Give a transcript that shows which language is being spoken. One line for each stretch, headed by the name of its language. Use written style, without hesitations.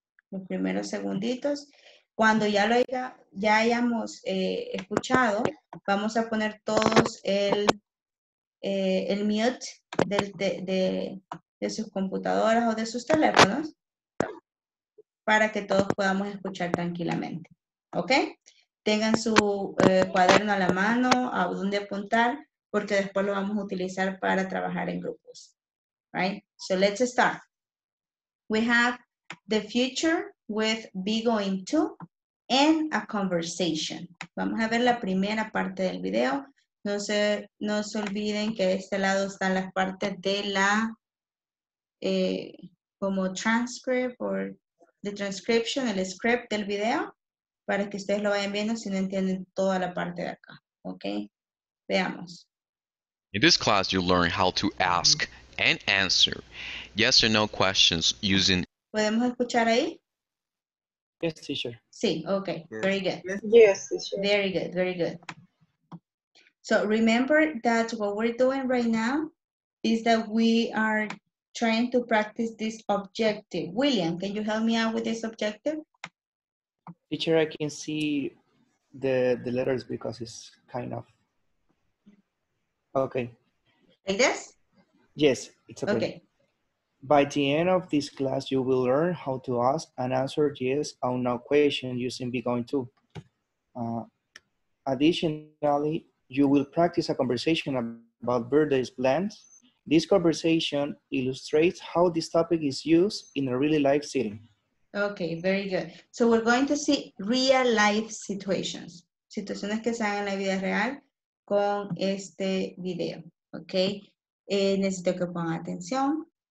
Spanish: Los primeros segunditos. Cuando ya lo haya, ya hayamos escuchado, vamos a poner todos el mute de sus computadoras o de sus teléfonos. Para que todos podamos escuchar tranquilamente. ¿Ok? Tengan su cuaderno a la mano, a dónde apuntar, porque después lo vamos a utilizar para trabajar en grupos.
English: Right? So let's start. We have the future with be going to and a conversation.
Spanish: Vamos a ver la primera parte del video. No se olviden que de este lado están las partes de la como transcript o
English: the transcription,
Spanish: el script del video, para que ustedes lo vayan viendo si no entienden toda la parte de acá. Okay? Veamos.
English: In this class, you learn how to ask and answer yes or no questions using...
Spanish: ¿Podemos escuchar ahí?
English: Yes, teacher. Sí, okay. Yes. Very good. Yes, teacher. Very good, very good. So remember that what we're doing right now is that we are... trying to practice this objective. William, can you help me out with this objective? Teacher, I can see the letters because it's kind of, okay. Like this? Yes, it's okay. Okay. By the end of this class, you will learn how to ask and answer yes or no question using be going to. Additionally, you will practice a conversation about birthday's plans. This conversation illustrates how this topic is used in a real life setting. Okay, very good. So we're going to see real life situations.
Spanish: Situaciones que se hagan en la vida real con este video. Okay. Necesito que pongan atención.